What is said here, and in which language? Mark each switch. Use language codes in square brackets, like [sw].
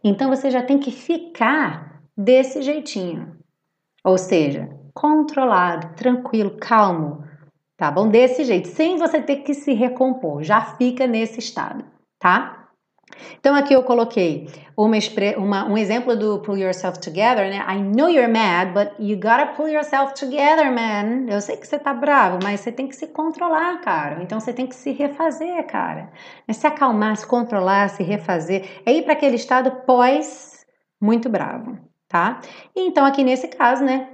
[pt] Então você já tem que ficar desse jeitinho. Ou seja, controlado, tranquilo, calmo, tá bom? Desse jeito, sem você ter que se recompor, já fica nesse estado, tá? Então aqui eu coloquei um exemplo do [en] pull yourself together, [pt] né? [en] I know you're mad, but you gotta pull yourself together, man. [pt] Eu sei que você tá bravo, mas você tem que se controlar, cara. Então você tem que se refazer, cara. É se acalmar, se controlar, se refazer. É ir para aquele estado pós muito bravo, tá? Então aqui nesse caso, né?